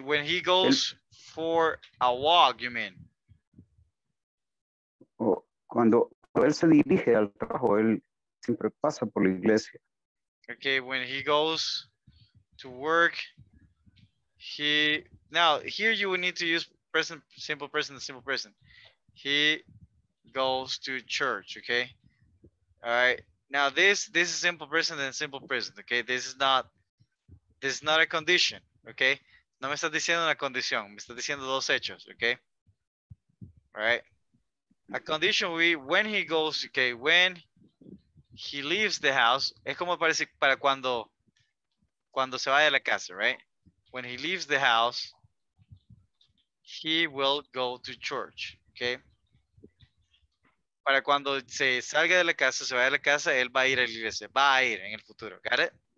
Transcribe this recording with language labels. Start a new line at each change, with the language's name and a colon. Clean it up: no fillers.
English: When he goes for a walk, you mean?
Spanish: cuando él se dirige al trabajo, él siempre pasa por la iglesia.
English: Okay, when he goes to work, he, now here you would need to use present, simple present, simple present. He goes to church, okay? All right, now this is simple present and simple present, okay? This is not a condition, okay?
Spanish: No me estás diciendo una condición, me estás diciendo dos hechos, okay?
English: All right, a condition will be when he goes, okay? When he leaves the house,
Spanish: es como parece para cuando se vaya a la casa, right?
English: When he leaves the house, he will go to church, okay?
Spanish: Para cuando se salga de la casa, se vaya a la casa, él va a ir a la iglesia, va a ir en el futuro,
English: got it?